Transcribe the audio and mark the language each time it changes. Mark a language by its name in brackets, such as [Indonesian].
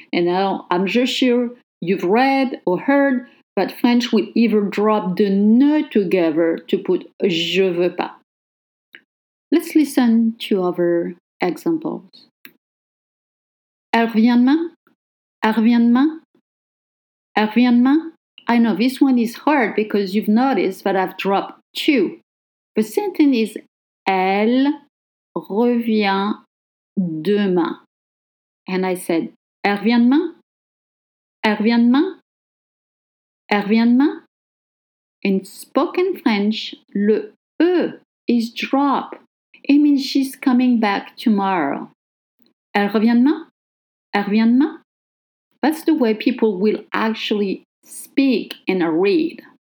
[English] And now I'm just sure you've read or heard that French will either drop the ne together to put [French] je veux pas. [English] Let's listen to other examples. [French] Elle revient demain? Elle revient demain? Elle revient demain? [English] I know this one is hard because you've noticed that I've dropped two. The sentence is [French] Elle revient demain. [English] And I said, [French] Elle revient demain? Elle revient demain? Elle revient demain? [English] In spoken French, le E is dropped. It means she's coming back tomorrow. [French] Elle revient demain? Elle revient demain? [English] That's the way people will actually speak and read.